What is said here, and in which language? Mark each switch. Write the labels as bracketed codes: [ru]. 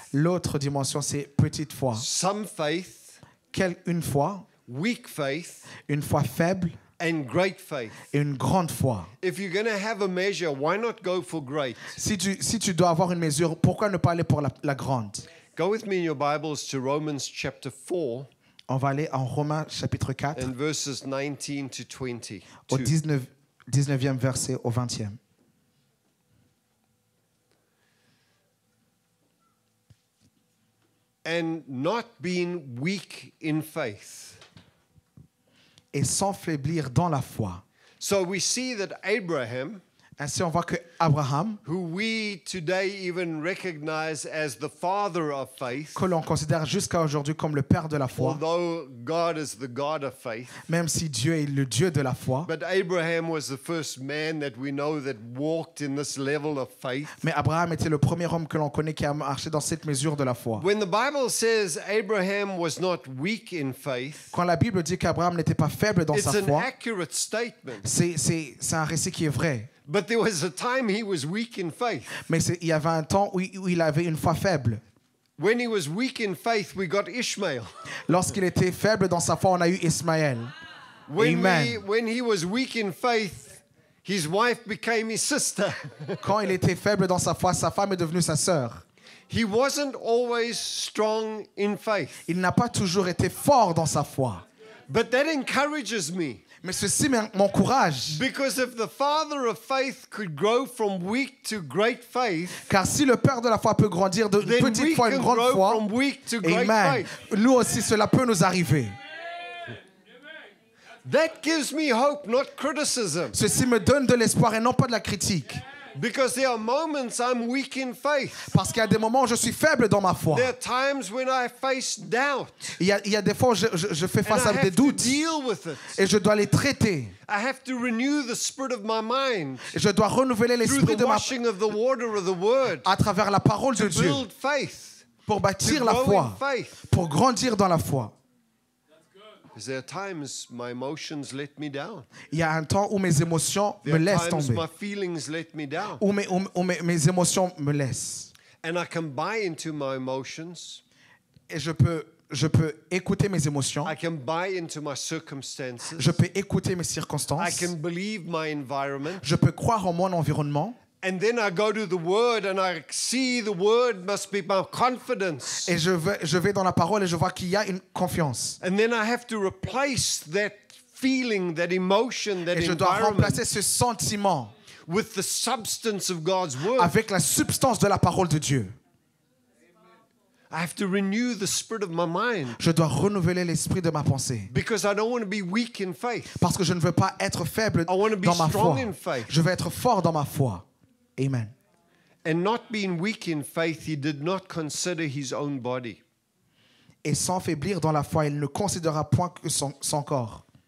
[fr] L'autre dimension, c'est petite foi. [en] Some faith. [fr] Une foi. [en] Weak faith. [fr] Une foi faible. [en] And great faith. [fr] Et une grande foi. [en] If you're going to have a measure, why not go for great? [fr] Si tu dois avoir une mesure, pourquoi ne pas aller pour la grande? [en] Go with me in your Bibles to Romans chapter 4. [fr] On va aller en Romains chapitre 4 [en] and verses 19 to 20, [fr] au 19e verset au 20e. [en] And not being weak in faith. [fr] Et sans faiblir dans la foi. [en] So we see that Abraham, [fr] ainsi on voit que Abraham, [en] who we today even recognize as the father of faith, [fr] que l'on considère jusqu'à aujourd'hui comme le père de la foi, [en] although God is the God of faith, [fr] même si Dieu est le Dieu de la foi, [en] but Abraham was the first man that we know that walked in this level of faith. [fr] Mais Abraham était le premier homme que l'on connaît qui a marché dans cette mesure de la foi. [en] When the Bible says Abraham was not weak in faith, [fr] quand la Bible dit qu'Abraham n'était pas faible dans sa foi, [en] it's an accurate statement. [fr] C'est un récit qui est vrai. [en] But there was a time he was weak in faith. [fr] Mais il y avait un temps où il avait une foi faible. [en] When he was weak in faith, we got Ishmael. [fr] Lorsqu'il était faible dans sa foi, on a eu Ismaël. [en] When he was weak in faith, his wife became his sister. [fr] Quand il était faible dans sa foi, sa femme est devenue sa sœur. [en] He wasn't always strong in faith. [fr] Il n'a pas toujours été fort dans sa foi. [en] But that encourages me. [fr] Mais ceci m'encourage. [en] Because if the father of faith could grow from weak to great faith, [fr] car si le père de la foi peut grandir de petite foi à une grande foi, [en] from weak to great amen, faith. [fr] Nous aussi cela peut nous arriver. [en] That gives me hope, not criticism. [fr] Ceci me donne de l'espoir et non pas de la critique. [en] Because there are moments I'm weak in faith. [fr] Parce qu'il y a des moments où je suis faible dans ma foi. [en] There are times when I face doubt. [fr] Il y a des fois où je fais face [en] and [fr] à des doutes. [en] To deal with it. [fr] Et je dois les traiter. [en] I have to renew the spirit of my mind. [fr] Et je dois renouveler l'esprit [en] through the washing of the water of the word. [fr] À travers la parole de Dieu. [en] To build faith. [fr] Pour bâtir [en] to [fr] la foi. [en] Grow in faith. [fr] Pour grandir dans la foi. [en] Is there times my emotions let me down? [fr] Il y a un temps où mes émotions me laissent tomber. [en] There are times my feelings let me down. [fr] Où mes émotions me laissent. [en] And I can buy into my emotions. [fr] Et je peux écouter mes émotions. [en] I can buy into my circumstances. [fr] Je peux écouter mes circonstances. [en] I can believe my environment. [fr] Je peux croire en mon environnement. [en] And then I go to the word and I see the word must be my confidence. [fr] Et je vais dans la parole et je vois qu'il y a une confiance. [en] And then I have to replace that feeling, that emotion, that environment. [fr] Et je dois remplacer ce sentiment [en] with the substance of God's word. [fr] Avec la substance de la parole de Dieu. [en] I have to renew the spirit of my mind. [fr] Je dois renouveler l'esprit de ma pensée. [en] Because I don't want to be weak in faith. [fr] Parce que je ne veux pas être faible dans ma foi. [en] I want to be strong in faith. [fr] Je veux être fort dans ma foi. Amen. [en] And not being weak in faith, he did not consider his own body. [fr] Et sans faiblir dans la foi, il ne considéra point que son corps.